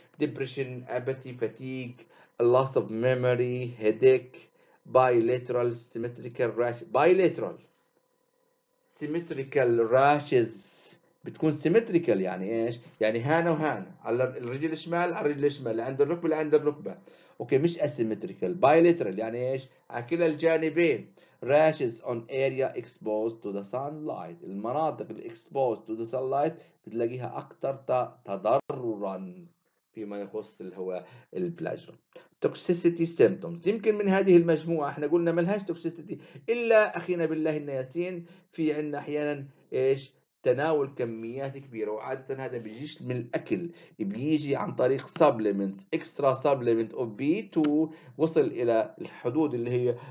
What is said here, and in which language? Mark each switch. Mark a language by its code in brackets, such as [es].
[en] Depression, apathy, fatigue, loss of memory, headache, bilateral symmetrical rash. Bilateral symmetrical rashes [ar] بتكون symmetrical، يعني ايش؟ يعني هنا وهنا على الرجل الشمال، على الرجل الشمال عند الركبة، عند الركبة، اوكي، مش asymmetrical. bilateral يعني ايش؟ على كلا الجانبين. [en] rashes on area exposed to the sunlight، [ar] المناطق اللي [en] exposed to the sunlight [ar] بتلاقيها اكثر تضررا فيما يخص اللي هو البلاجرا. توكسيسيتي سيمبتومز، يمكن من هذه المجموعه احنا قلنا ما لهاش توكسيسيتي الا اخينا بالله النياسين، في عندنا احيانا ايش؟ تناول كميات كبيره، وعاده هذا بيجيش من الاكل، بيجي عن طريق سبلمنتس، اكسترا سبلمنت او بي 2 وصل الى الحدود اللي هي